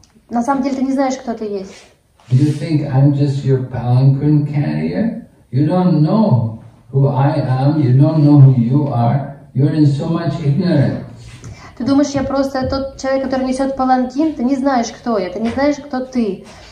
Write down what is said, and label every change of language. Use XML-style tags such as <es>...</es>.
<ru>На самом деле ты не знаешь, кто ты есть.</ru> <en>You think I'm just your palanquin carrier? You don't know who I am, you don't know who you are. You're in so much ignorance.</en> <ru>Ты думаешь, я просто тот человек, который несет паланкин? Ты не знаешь, кто я, ты не знаешь, кто ты.</ru>